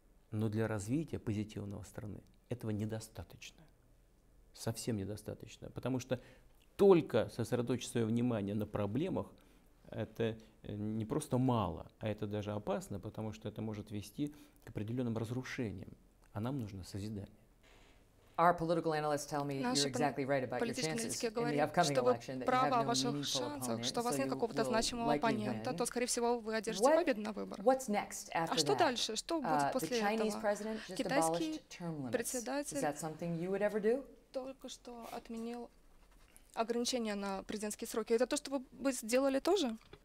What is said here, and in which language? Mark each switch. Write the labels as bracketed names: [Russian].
[Russian] Но для развития позитивного страны этого недостаточно. Совсем недостаточно. Потому что только сосредоточить свое внимание на проблемах, это не просто мало, а это даже опасно, потому что это может вести к определенным разрушениям. А нам нужно созидание. [English] Our political analysts tell me you're exactly right about your chances in the upcoming election, that you have no meaningful opponent, [Russian] что у вас нет какого-то значимого оппонента, то, скорее всего, вы одержите победу на выборах. [English] What's next after that? [Russian] А что дальше? Что будет после этого? [English] The Chinese president just abolished term limits. Is that something you would ever do? [Russian] Только что отменил ограничения на президентские сроки. Это то, что вы бы сделали тоже?